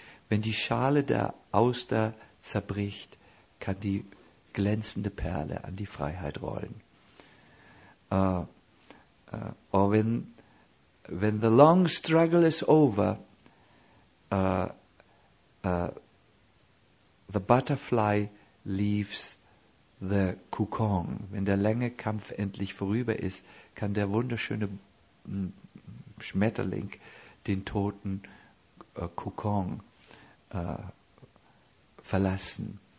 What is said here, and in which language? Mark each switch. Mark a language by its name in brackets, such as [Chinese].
[German] Wenn die Schale der Auster zerbricht, kann die glänzende Perle an die Freiheit rollen. [English] Or when the long struggle is over, the butterfly leaves the cocoon. [German] Wenn der lange Kampf endlich vorüber ist, kann der wunderschöne Schmetterling den toten Kokon verlassen.